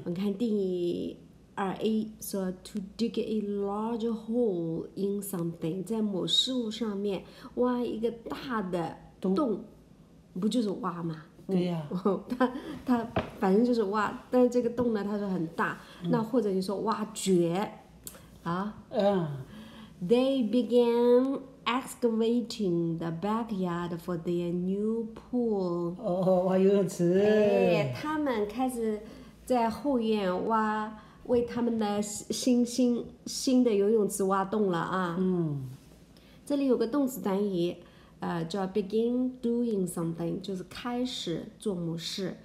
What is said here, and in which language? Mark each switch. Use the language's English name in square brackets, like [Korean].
[Chinese] 我们看定义二 A， 说 [English] to dig a large hole in something， [Chinese] 在某事物上面挖一个大的洞，不就是挖吗？对呀、他反正就是挖，但是这个洞呢他说很大、那或者你说挖掘啊。 [English] They began excavating the backyard for their new pool。 [Chinese] 哦，挖游泳池。哎，他们开始在后院挖，为他们的新的游泳池挖洞了啊。嗯，这里有个动词短语，叫 [English] begin doing something， [Chinese] 就是开始做某事。